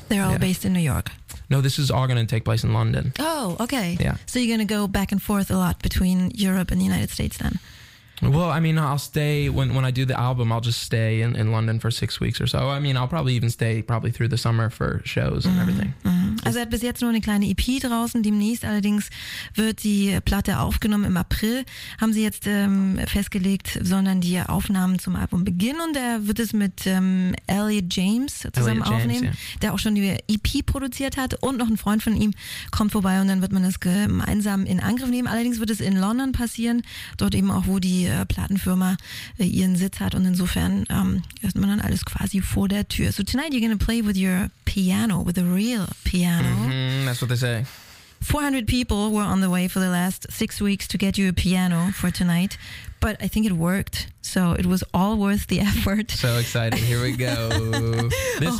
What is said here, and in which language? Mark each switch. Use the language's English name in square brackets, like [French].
[English] They're all based in New York. No, this is all going to take place in London. Oh, okay. Yeah. So you're going to go back and forth a lot between Europe and the United States then? Well, I mean, I'll stay when I do the album, I'll just stay in London for 6 weeks or so. I mean, I'll probably even stay probably through the summer for shows and everything. Mm-hmm. [German] Also er hat bis jetzt nur eine kleine EP draußen. Demnächst allerdings wird die Platte aufgenommen im April. Haben sie jetzt festgelegt, sondern die Aufnahmen zum Album beginnen. Und er wird es mit Elliot James zusammen aufnehmen, der auch schon die EP produziert hat. Und noch ein Freund von ihm kommt vorbei und dann wird man das gemeinsam in Angriff nehmen. Allerdings wird es in London passieren, dort eben auch, wo die Plattenfirma ihren Sitz hat. Und insofern ist man dann alles quasi vor der Tür. [English] So tonight you're gonna play with your piano, with a real piano. Mm-hmm, that's what they say. 400 people were on the way for the last 6 weeks to get you a piano for tonight, but I think it worked, so it was all worth the effort. So excited. Here we go. This